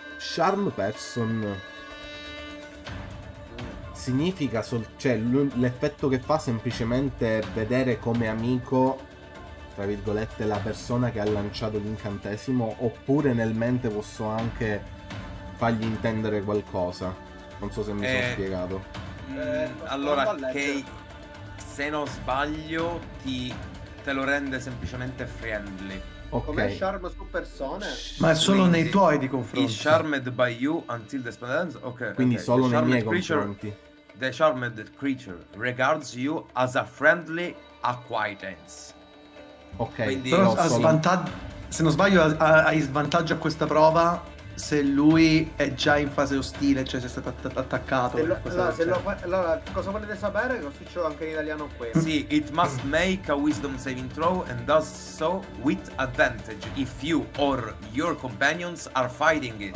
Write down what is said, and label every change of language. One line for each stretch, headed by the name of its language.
Italian: Charm Person significa cioè l'effetto che fa semplicemente vedere come amico, tra virgolette, la persona che ha lanciato l'incantesimo, oppure nel mente posso anche fargli intendere qualcosa? Non so se mi sono spiegato. Allora, che se non sbaglio te lo rende semplicemente friendly. Okay. Come charm su persone? Ma è solo nei tuoi di confronti.
English: Is charmed by you until the spell ends. Okay.
Italian: Quindi okay, solo nei miei confronti.
English: The charmed creature regards you as a friendly acquaintance. Ok,
Italian: quindi però se non sbaglio hai svantaggio a questa prova se lui è già in fase ostile, cioè se è stato attaccato. Allora, cosa volete sapere? Lo scrivo anche in italiano qui.
English: Sì, it must make a wisdom saving throw and does so with advantage if you or your companions are fighting it.